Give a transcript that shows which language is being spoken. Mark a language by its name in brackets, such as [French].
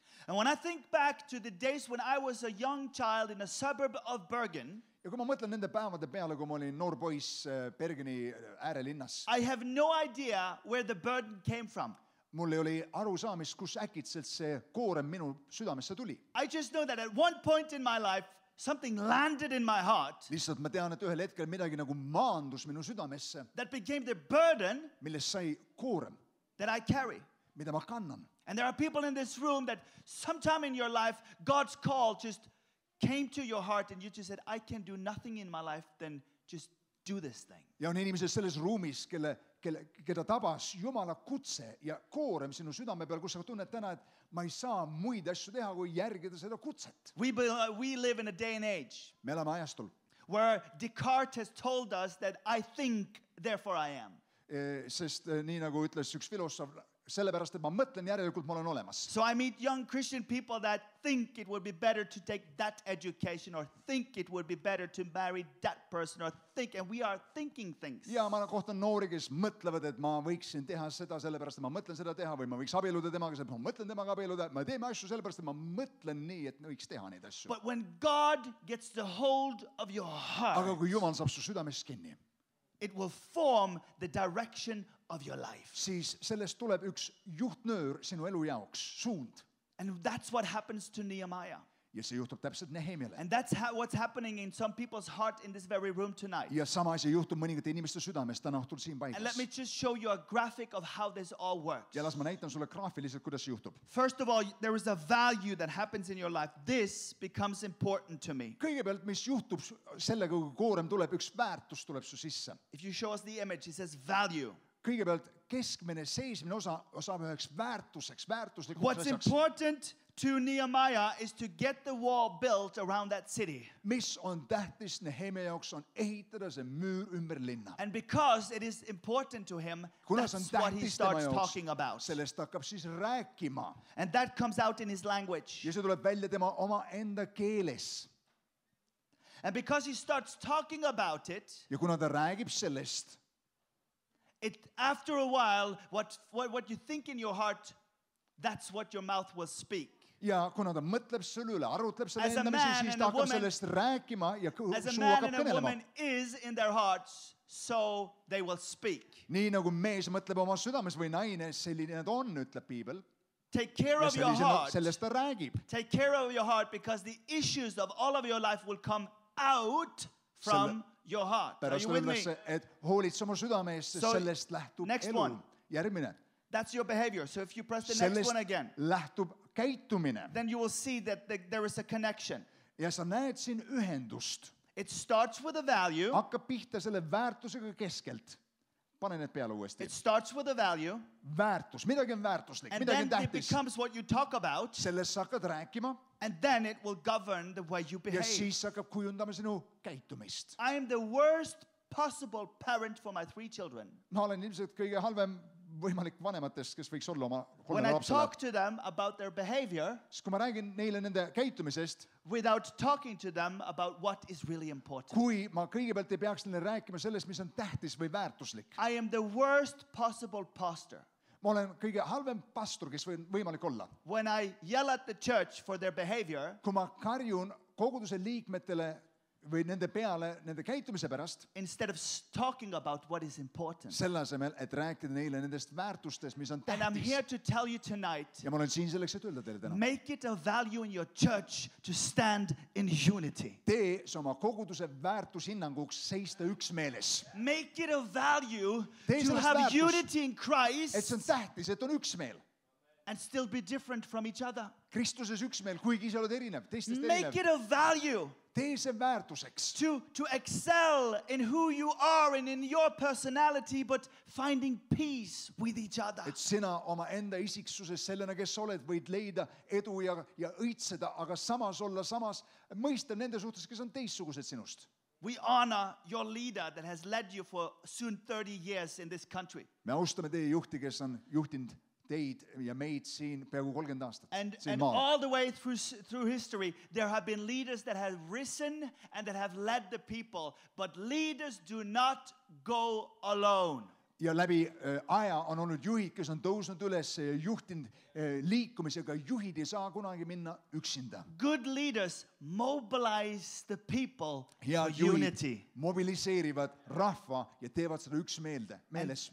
[English] And when I think back to the days when I was a young child in a suburb of Bergen, [Estonian] ja kui ma mõtlen nende päevade peale, kui ma olin noor poiss Bergeni äärelinnas. [English] I have no idea where the burden came from. [Estonian] Mul ei oli aru saamist, kus äkitselt see koorem minu südamesse tuli. [English] I just know that at one point in my life, something landed in my heart. [Estonian] Lihtsalt ma tean, et ühel hetkel midagi nagu maandus minu südamesse. [English] That became the burden. [Estonian] Milles sai koorem. [English] That I carry. [Estonian] Mida ma kannan. [English] And there are people in this room that sometime in your life, God's call just came to your heart and you just said, I can do nothing in my life than just do this thing. [Estonian] Ja on inimesed selles ruumis, keda tabas Jumala kutse ja koorem sinu südame peal, kus sa tunned täna, et ma ei saa muid asju teha, kui järgida seda kutset. [English] We live in a day and age. [Estonian] Me elame ajastul. [English] Where Descartes has told us that I think, therefore I am. [Estonian] Sest nii nagu ütles üks filosof, sellepärast, et ma mõtlen järjelikult, ma olen olemas. [English] So I meet young Christian people that think it would be better to take that education or think it would be better to marry that person or think, and we are thinking things. [Estonian] Ja ma olen kohtan noori, kes mõtlevad, et ma võiksin teha seda sellepärast, et ma mõtlen seda teha või ma võiks abieluda temaga, sest ma mõtlen temaga abieluda. Ma teeme asju sellepärast, et ma mõtlen nii, et võiks teha neid asju. [English] But when God gets the hold of your heart, [Estonian] aga kui Jumal saab su südames kinni, [English] it will form the direction of your life. [Estonian] Siis sellest tuleb üks juhtnöör sinu elu jaoks, suund. [English] And that's what happens to Nehemiah. [Estonian] Ja see juhtub täpselt Nehemiale. [English] And that's what's happening in some people's heart in this very room tonight. [Estonian] Ja sama asja juhtub mõningate inimeste südames täna õhtul siin paigas. [English] And let me just show you a graphic of how this all works. [Estonian] Ja las ma näitan sulle graafiliselt, kuidas see juhtub. [English] First of all, there is a value that happens in your life. This becomes important to me. [Estonian] Kõigepealt, mis juhtub sellega, kui koorem tuleb, üks väärtus tuleb su sisse. [English] If you show us the image, it says value. [Estonian] Kõigepealt keskmine seismine osa saab üheks väärtuseks, väärtuslikuks asjaks. [English] What's important to Nehemiah is to get the wall built around that city. [Estonian] Mis on tähtis Nehemia jaoks on ehitada see müür ümber linna. [English] And because it is important to him, [Estonian] kunas [English] that's what he starts talking about. [Estonian] Sellest hakkab siis rääkima. [English] And that comes out in his language. [Estonian] Ja see tuleb välja tema oma enda keeles. [English] And because he starts talking about it, [Estonian] ja kuna ta räägib sellest, [English] it, after a while, what you think in your heart, that's what your mouth will speak. [Estonian] Ja kuna ta mõtleb selle üle, arutleb selle [English] as [Estonian] endamise, siis ta hakkab sellest rääkima ja suu hakkab kõnelema. [English] As a man and a woman is in their hearts, so they will speak. [Estonian] Nii nagu mees mõtleb oma südames või naine, selline nad on, ütleb Piibel. [English] Take care of your heart. [Estonian] Sellest ta räägib. [English] Take care of your heart because the issues of all of your life will come out from your heart. Are you with me? [Estonian] Et hoolid oma südamest, so sellest lähtub [English] next [Estonian] elu. [English] One. [Estonian] Järgmine. [English] That's your behavior. So if you press the [Estonian] sellest [English] next one again, [Estonian] lähtub käitumine. [English] Then you will see that there is a connection. [Estonian] Ja sa näed siin ühendust. [English] It starts with a value. [Estonian] Hakka pihta selle väärtusega keskelt. Pane need peale uuesti. [English] It starts with a value. [Estonian] Väärtus. Midagi on väärtuslik. [English] And [Estonian] midagi on tähtis. [English] And then it becomes what you talk about. [Estonian] Sellest sa hakkad rääkima. [English] And then it will govern the way you behave. [Estonian] Ja siis hakkab kujundama sinu käitumist. [English] I am the worst possible parent for my three children. [Estonian] Ma olen ilmselt kõige halvem võimalik vanematest, kes võiks olla oma kolme lapsele. [English] When I talk to them about their behavior, [Estonian] kui ma räägin neile nende käitumisest, [English] without talking to them about what is really important, [Estonian] kui ma kõigepealt ei peaks neile rääkima sellest, mis on tähtis või väärtuslik, [English] I am the worst possible pastor. [Estonian] Ma olen kõige halvem pastor, kes võimalik olla. [English] When I yell at the church for their behavior, [Estonian] kui ma karjun koguduse liikmetele või nende peale nende käitumise pärast. [English] Instead of talking about what is important. [Estonian] Selle asemel, et rääkida neile nendest väärtustest, mis on tähtis. [English] And I'm here to tell you tonight. [Estonian] Ja ma olen siin selleks, et öelda teile täna. [English] Make it a value in your church to stand in unity. [Estonian] Tee see oma koguduse väärtushinnanguks seista üksmeeles. [English] Make it a value to have unity in Christ. [Estonian] Et see on tähtis, et on üksmeel. [English] And still be different from each other. [Estonian] Kristuses üksmeel, kuigi sa oled erinev, teistest erinev. [English] Make it a value. [Estonian] Teise väärtuseks. [English] To excel in who you are and in your personality, but finding peace with each other. [Estonian] Et sina oma enda isiksuses sellena, kes oled, võid leida edu ja õitseda, aga samas olla samas mõista nende suhtes, kes on teissugused sinust. [English] We honor your leader that has led you for soon 30 years in this country. [Estonian] Me austame teie juhti, kes on juhtinud. Teid ja meid siin peaaegu 30 aastat. [English] And all the way through history, there have been leaders that have risen and that have led the people. But leaders do not go alone. [Estonian] Ja läbi aja on olnud juhid, kes on tõusnud üles ja juhtinud liikumisega. Juhid ei saa kunagi minna üksinda. [English] Good leaders mobilize the people [Estonian] ja [English] for unity. [Estonian] Mobiliseerivad rahva ja teevad seda üksmeeles.